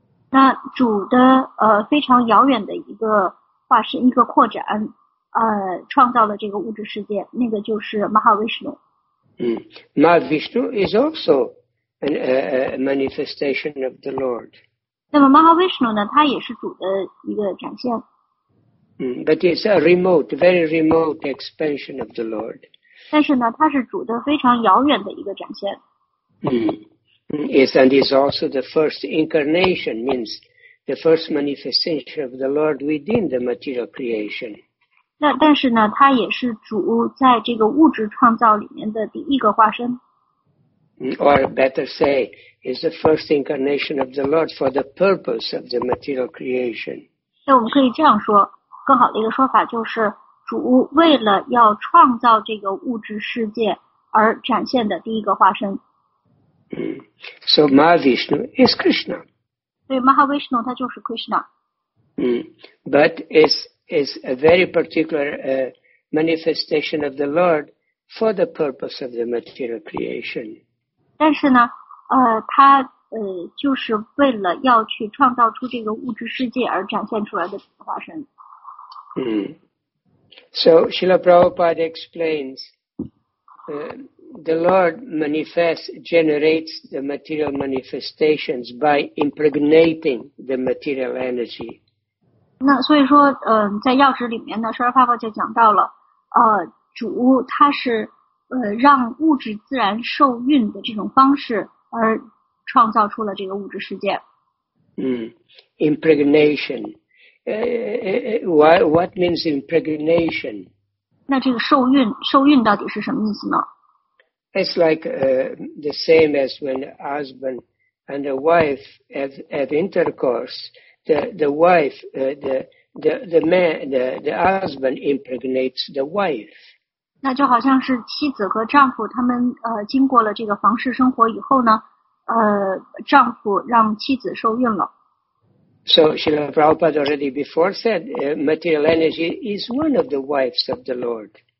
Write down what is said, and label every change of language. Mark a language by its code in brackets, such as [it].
[zh] 那主的非常遥远的一个化身，一个扩展，创造了这个物质世界，那个就是 Mahavishnu. [en] Mahavishnu is also a manifestation of the Lord. [zh] 那么 Mahavishnu 呢，它也是主的一个展现。 [en] But it's a remote, very remote expansion of the Lord. [zh] 但是呢，它是主的非常遥远的一个展现。 [en] And it's also the first incarnation, means the first manifestation of the Lord within the material creation. [zh] 那但是呢，它也是主在这个物质创造里面的第一个化身。 [en] Or better say, it's the first incarnation of the Lord for the purpose of the material creation. [zh] 那我们可以这样说。更好的一个说法就是主为了要创造这个物质世界而展现的第一个化身。 [en] So Mahavishnu is Krishna. [zh] 对 ,Mahavishnu 它就是 Krishna. [en] But it's a very particular manifestation of the Lord for the purpose of the material creation. [zh] 但是呢，他就是为了要去创造出这个物质世界而展现出来的化身。 [en] 嗯。So Srila Prabhupada explains, the Lord manifests, generates the material manifestations by impregnating the material energy. [zh] 那所以说，在药旨里面呢，Srila Prabhupada就讲到了，主他是让物质自然受孕的这种方式而创造出了这个物质世界。 [en] 嗯，impregnation。What means impregnation? [zh] 那这个受孕，受孕到底是什么意思呢？ [en] It's like the same as when a husband and a wife have intercourse. The husband impregnates the wife. [zh] 那就好像是妻子和丈夫他们经过了这个房事生活以后呢，丈夫让妻子受孕了。 [en] So Srila Prabhupada already before said material energy is one of the wives of the Lord.